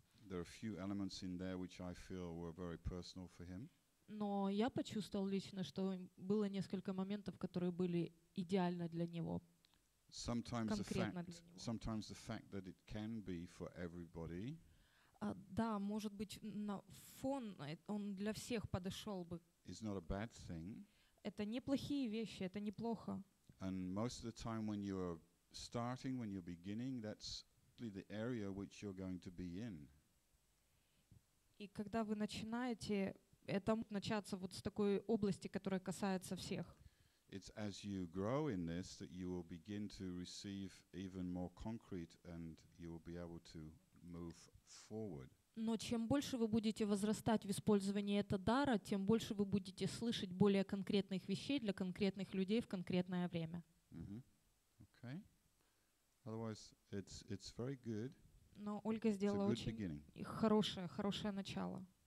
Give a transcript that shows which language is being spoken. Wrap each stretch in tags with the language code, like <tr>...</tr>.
<en>There are a few elements in there which I feel were very personal for him.</en> <ru>Но я почувствовал лично, что было несколько моментов, которые были идеально для него.</ru> <en>Sometimes</en> <ru>конкретно</ru> <en>the fact, sometimes the fact that it can be for everybody.</en> <ru>Да, может быть, на фон он для всех подошел бы.</ru> <en>It's not a bad thing.</en> <ru>Это неплохие вещи, это неплохо.</ru> <en>And most of the time when you are starting, when you're beginning, that's the area which you're going to be in.</en> <ru>И когда вы начинаете, это может начаться вот с такой области, которая касается всех.</ru> <en>It's as you grow in this that you will begin to receive even more concrete and you will be able to move forward.</en> <ru>Но чем больше вы будете возрастать в использовании этого дара, тем больше вы будете слышать более конкретных вещей для конкретных людей в конкретное время.</ru> <en>Mm-hmm. Okay. Otherwise, it's very good.</en> <ru>Но Ольга сделала очень хорошее начало.</ru>